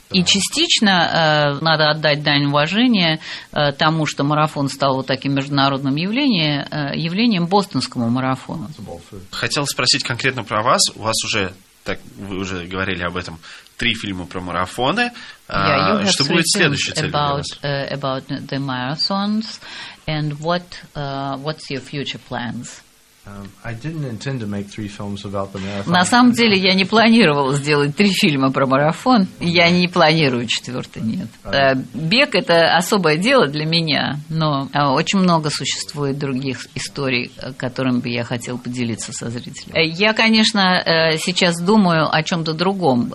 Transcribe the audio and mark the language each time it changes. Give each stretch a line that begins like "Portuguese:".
Russian: И частично надо отдать дань уважения тому, что марафон стал вот таким международным явлением бостонскому марафону. Хотел спросить конкретно про вас. У вас уже, вы уже говорили об этом, три фильма про марафоны. Yeah, что будет следующей целью
English: about,
Russian: для вас?
English: About the marathons and what, what's your future plans? I didn't intend to make three films about the marathon.
Russian: На самом деле, я не планировал сделать три фильма про марафон. Я не планирую четвертый, нет. Бег – это особое дело для меня, но очень много существует других историй, которым бы я хотел поделиться со зрителем. Я, конечно, сейчас думаю о чем-то другом.